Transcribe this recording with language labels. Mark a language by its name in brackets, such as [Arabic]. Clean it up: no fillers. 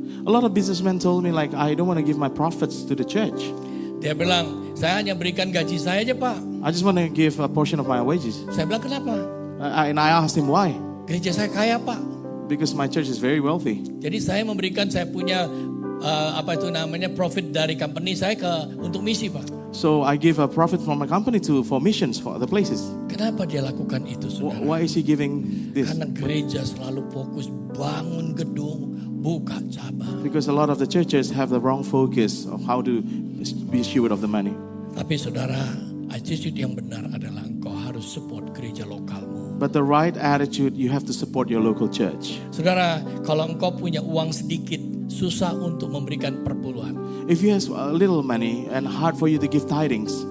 [English] A lot of businessmen told me like I don't want to give my profits to the church. [Indonesian] Dia bilang, saya hanya berikan gaji saya aja, Pak. [English] I just want to give a portion of my wages. [Indonesian] Saya bilang, kenapa? [English] And I asked him why. [Indonesian] Gereja saya kaya, Pak. [English] because my church is very wealthy. [Indonesian] Jadi saya memberikan saya punya apa itu namanya profit dari company saya ke untuk misi, Pak. [English] So I give a profit from my company to for missions for other places. [Indonesian] Kenapa dia lakukan itu, Saudara? [English] Why is he giving this? [Indonesian] Karena gereja selalu fokus bangun gedung, buka cabang. [English] Because a lot of the churches have the wrong focus of how to be steward of the money. [Indonesian] Tapi Saudara, attitude yang benar adalah engkau harus support gereja lokalmu. [English] But the right attitude, you have to support your local church. [Indonesian] Saudara, kalau engkau punya uang sedikit, susah untuk memberikan perpuluhan. [English] If you have a little money and hard for you to give tidings.